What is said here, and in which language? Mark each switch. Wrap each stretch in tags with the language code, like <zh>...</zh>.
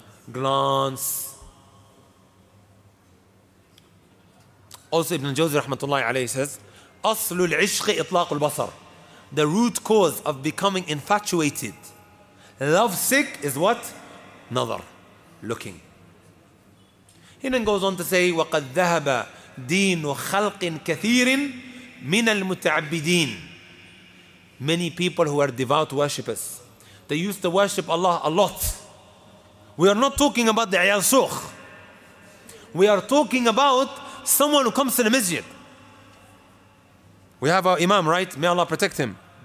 <en>Glance. Also Ibn al-Jawzi rahmatullahi alayhi says,</en> <ar>أَصْلُ الْعِشْقِ إِطْلَاقُ الْبَصَرِ.</ar> <en>The root cause of becoming infatuated, lovesick, is what? Nadar, looking. He then goes on to say,</en> <ar>وَقَدْ ذَهَبَ دِينُ خَلْقٍ كَثِيرٍ مِنَ الْمُتَعَبِّدِينَ.</ar> <en>Many people who are devout worshippers, they used to worship Allah a lot. We are not talking about the Iyal Sukh. We are talking about someone who comes to the masjid. We have our imam, right? May Allah protect him.</en>